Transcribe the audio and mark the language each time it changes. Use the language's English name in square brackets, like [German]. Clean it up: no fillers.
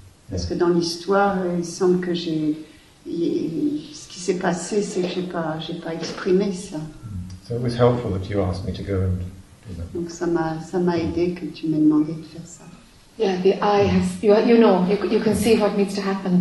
[French] Parce que dans l'histoire, il semble que ce qui s'est passé, c'est que j'ai pas exprimé ça. [English] So it was helpful that you asked me to go and do that. [French] Donc ça m'a aidé que tu m'aies demandé de faire ça. [English] Yeah, the I has you can see what needs to happen.